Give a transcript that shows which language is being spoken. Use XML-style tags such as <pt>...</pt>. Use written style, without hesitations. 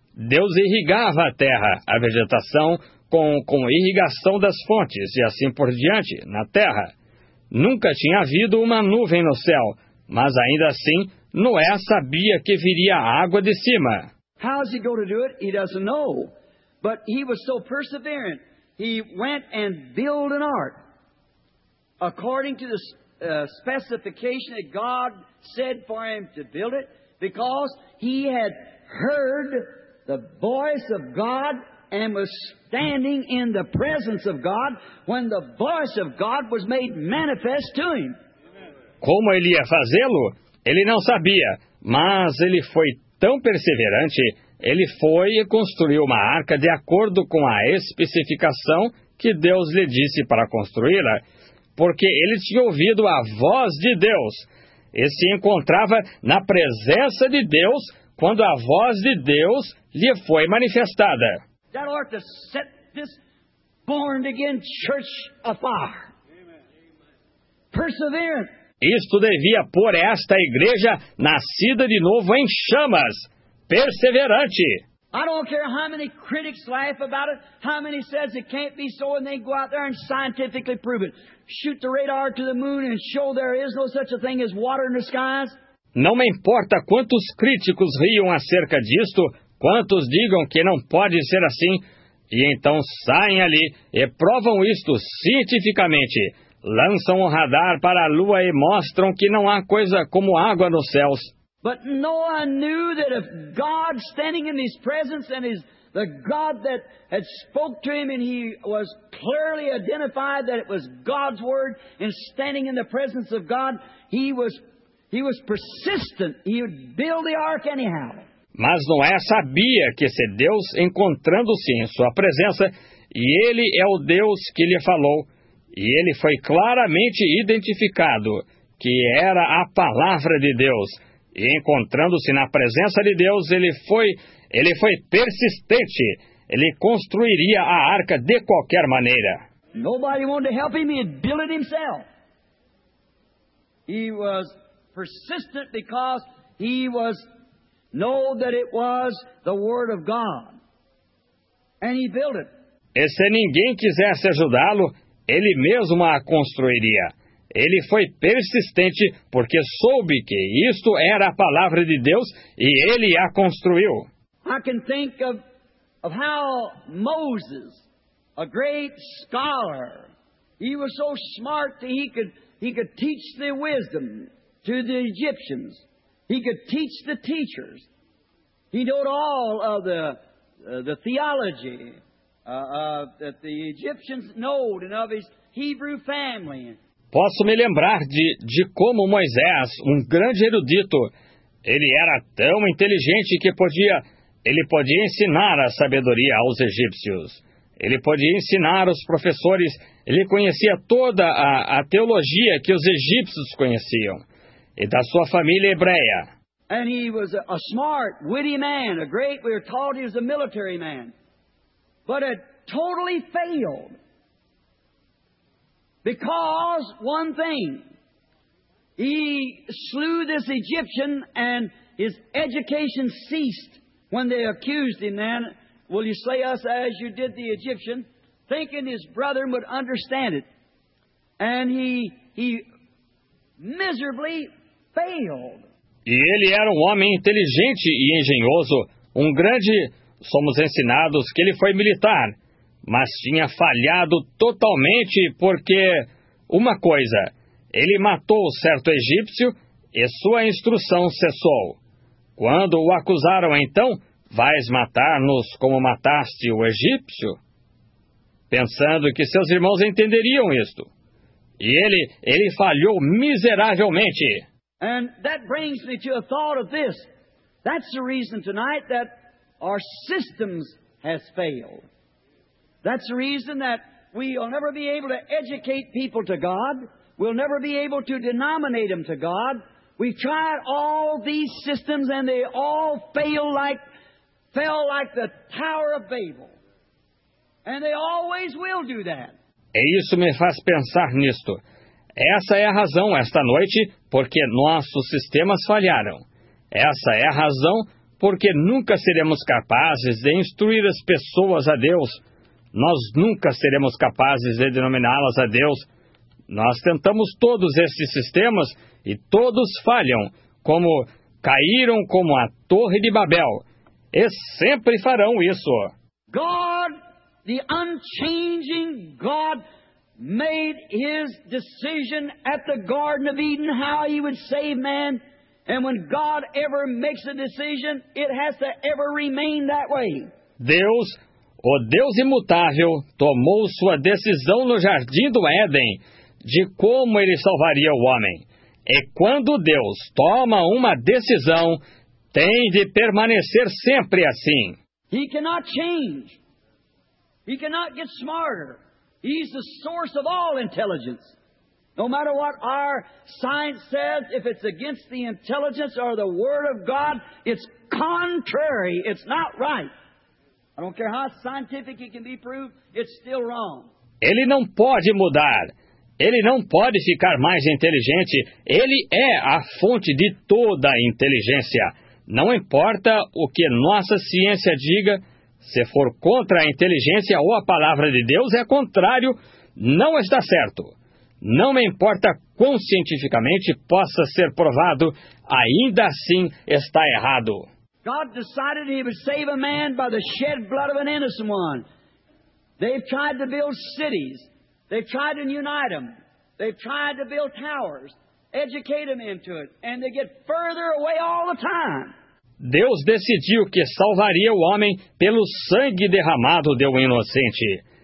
<pt>Deus irrigava a terra, a vegetação, com irrigação das fontes e assim por diante, na terra. Nunca tinha havido uma nuvem no céu. Mas ainda assim, Noé sabia que viria água de cima.</pt> <en>How's he going to do it? He doesn't know. But he was so perseverant, he went and built an ark according to the specification that God said for him to build it, because he had heard the voice of God and was standing in the presence of God when the voice of God was made manifest to him.</en> <pt>Como ele ia fazê-lo? Ele não sabia, mas ele foi tão perseverante, ele foi e construiu uma arca de acordo com a especificação que Deus lhe disse para construí-la, porque ele tinha ouvido a voz de Deus e se encontrava na presença de Deus quando a voz de Deus lhe foi manifestada.</pt> <en>That ought to set this born-again church afar. Perseverant.</en> <pt>Isto devia pôr esta igreja nascida de novo em chamas, perseverante.</pt> <en>I don't care how many critics laugh about it, how many says it can't be so, and they go out there and scientifically prove it. Shoot the radar to the moon and show there is no such a thing as water in the skies.</en> <pt>Não me importa quantos críticos riam acerca disto, quantos digam que não pode ser assim, e então saem ali e provam isto cientificamente. Lançam um radar para a lua e mostram que não há coisa como água nos céus.</pt> <en>But Noah knew that if God standing in his presence and is the God that had spoke to him and he was clearly identified that it was God's word and standing in the presence of God, he was persistent. He would build the ark anyhow.</en> <pt>Mas Noé sabia que se Deus encontrando-se em sua presença e ele é o Deus que lhe falou e ele foi claramente identificado que era a palavra de Deus. E encontrando-se na presença de Deus, ele foi persistente. Ele construiria a arca de qualquer maneira.</pt> <en>Nobody wanted to help him, he'd build it himself. He was persistent because he was know that it was the word of God. And he built it.</en> <pt>E se ninguém quisesse ajudá-lo, ele mesmo a construiria. Ele foi persistente porque soube que isto era a palavra de Deus e ele a construiu.</pt> <en>I can think of how Moses, a great scholar, he was so smart that he could teach the wisdom to the Egyptians. He could teach the teachers. He knew all of the theology that the Egyptians knew and of his Hebrew family.</en> <pt>Posso me lembrar de como Moisés, um grande erudito, ele era tão inteligente que ele podia ensinar a sabedoria aos egípcios. Ele podia ensinar os professores, ele conhecia toda a teologia que os egípcios conheciam, e da sua família hebreia. E ele era um</pt> <en>smart, witty man, a great, we were told he was a military man. But it totally failed. Because one thing, he slew this Egyptian and his education ceased when they accused him then, will you slay us as you did the Egyptian, thinking his brethren would understand it. And he miserably failed.</en> <pt>E ele era um homem inteligente e engenhoso, um grande, somos ensinados que ele foi militar. Mas tinha falhado totalmente porque, uma coisa, ele matou certo egípcio e sua instrução cessou. Quando o acusaram então, vais matar-nos como mataste o egípcio? Pensando que seus irmãos entenderiam isto. E ele falhou miseravelmente.</pt> <en>And that brings me to a thought of this. That's the reason tonight that our systems has failed. That's the reason that we will never be able to educate people to God. We'll never be able to denominate them to God. We've tried all these systems and they all fell like the Tower of Babel. And they always will do that.</en> <pt>E isso me faz pensar nisto. Essa é a razão esta noite porque nossos sistemas falharam. Essa é a razão porque nunca seremos capazes de instruir as pessoas a Deus. Nós nunca seremos capazes de denominá-las a Deus. Nós tentamos todos esses sistemas e todos falham, como caíram como a Torre de Babel. E sempre farão isso.</pt> <en>God, the unchanging God, made his decision at the Garden of Eden how he would save man. And when God ever makes a decision, it has to ever remain that way.</en> <pt>Deus, o Deus imutável, tomou sua decisão no Jardim do Éden de como ele salvaria o homem. E quando Deus toma uma decisão, tem de permanecer sempre assim.</pt> <en>He cannot change. He cannot get smarter. He's the source of all intelligence. No matter what our science says, if it's against the intelligence or the word of God, it's contrary. It's not right. I don't care how scientific it can be proved, it's still wrong.</en> <pt>Ele não pode mudar. Ele não pode ficar mais inteligente. Ele é a fonte de toda inteligência. Não importa o que nossa ciência diga, se for contra a inteligência ou a palavra de Deus, é contrário, não está certo. Não me importa quão cientificamente possa ser provado, ainda assim está errado.</pt> <en>God decided he would save a man by the shed blood of an innocent one. They've tried to build cities. They've tried to unite them. They've tried to build towers, educate them into it, and they get further away all the time.</en> <pt>Deus decidiu que salvaria o homem pelo sangue derramado de um inocente.</pt>